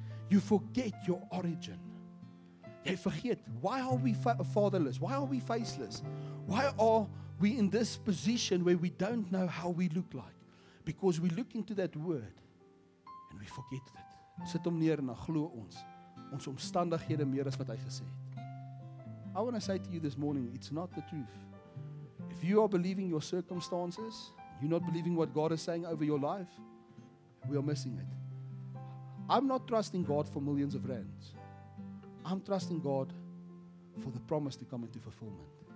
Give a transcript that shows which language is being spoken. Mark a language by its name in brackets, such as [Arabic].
[English] You forget your origin. [Afrikaans] Jy vergeet, [English] why are we fatherless? Why are we faceless? Why are we in this position where we don't know how we look like? Because we look into that word and we forget it. [Afrikaans] Sit hom neer en glo ons. Ons omstandighede meer as wat hy gesê het. [English] I want to say to you this morning, it's not the truth. If you are believing your circumstances, you're not believing what God is saying over your life, we are missing it. I'm not trusting God for millions of rands. I'm trusting God for the promise to come into fulfillment.